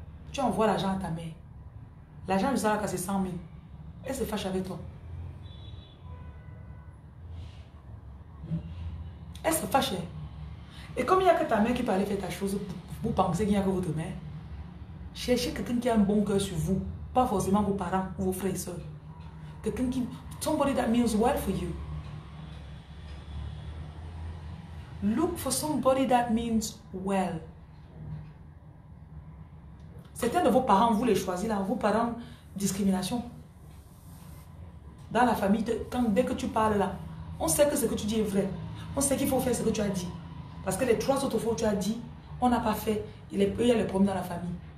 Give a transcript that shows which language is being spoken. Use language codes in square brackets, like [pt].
[fr] Tu envoies l'argent à ta mère. L'argent du saraka, c'est 100 000. Elle se fâche avec toi. Elle se fâche. Et comme il n'y a que ta mère qui peut aller faire ta chose, vous pensez qu'il n'y a que votre mère. Cherchez quelqu'un qui a un bon cœur sur vous, pas forcément vos parents ou vos frères et soeurs. Quelqu'un qui. [en] Somebody that means well for you. Look for somebody that means well. [fr] Certains de vos parents, vous les choisissez là, vos parents, discrimination. Dans la famille, dès que tu parles là, on sait que ce que tu dis est vrai. On sait qu'il faut faire ce que tu as dit. Parce que les trois autres fois que tu as dit, on n'a pas fait. Il y a le problème dans la famille.